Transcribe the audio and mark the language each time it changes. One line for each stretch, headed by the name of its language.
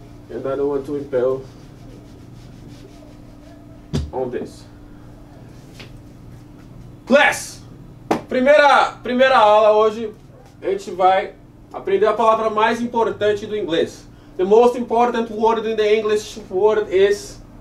English: And I don't want to impel on this. Class!
Portuguese: Primeira aula hoje, a gente vai aprender a palavra mais importante do inglês.
English: The most important word in the English word is...